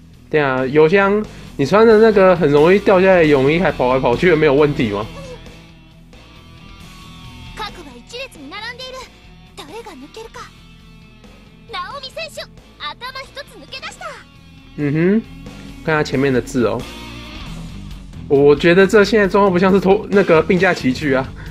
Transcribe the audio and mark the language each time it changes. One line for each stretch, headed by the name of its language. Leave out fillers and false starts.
Chinese: 对啊，油箱，你穿的那个很容易掉下来的泳衣，还跑来跑去的，没有问题吗？
Japanese: 各馬一列に並んでいる。誰が抜けるか。ナオミ選手、頭一つ抜け出した。
Chinese: 嗯哼，看他前面的字哦。我觉得这现在状况不像是拖那个并驾齐驱啊。